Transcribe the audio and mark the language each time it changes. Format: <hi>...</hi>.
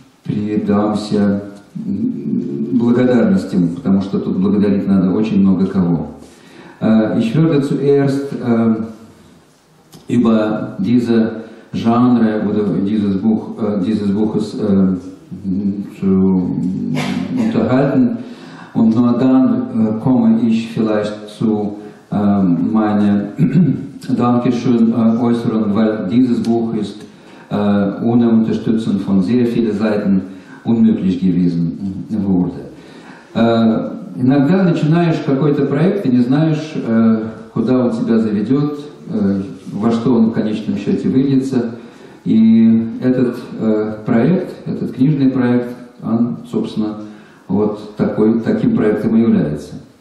<ru>предамся благодарностям, потому что тут благодарить надо очень много кого.</ru> <de>Ich würde zuerst über diese Genre oder dieses Buch dieses Buches zu unterhalten und nur dann komme ich vielleicht zu meine Dankeschön äußern, weil dieses Buch ist ohne Unterstützung von sehr vielen Seiten unmöglich gewesen wurde.</de> <ru>Иногда начинаешь какой-то проект и не знаешь, куда он тебя заведет, во что он в конечном счете выльется. И этот проект, этот книжный проект, он, собственно, вот такой, таким проектом и является.</ru>